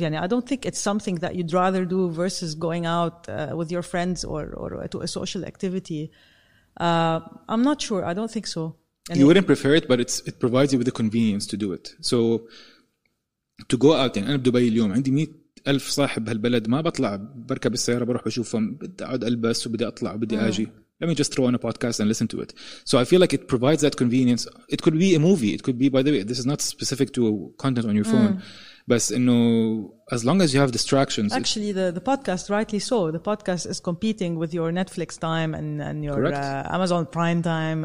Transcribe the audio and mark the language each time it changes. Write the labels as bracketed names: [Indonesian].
[English] Yani, I don't think it's something that you'd rather do versus going out with your friends or to a social activity. I'm not sure. I don't think so. You wouldn't prefer it, but it provides you with the convenience to do it. So to go out, [Arabic] يعني أنا بدبي اليوم عندي 100,000 صاحب هالبلد ما بطلع بركب السيارة بروح بشوفهم بدي أقعد ألبس وبدي أطلع وبدي أجي. [English] Let me just throw on a podcast and listen to it. So I feel like it provides that convenience. It could be a movie. It could be, by the way, this is not specific to content on your phone. But as long as you have distractions. Actually, the podcast, rightly so. The podcast is competing with your Netflix time and your Amazon Prime time.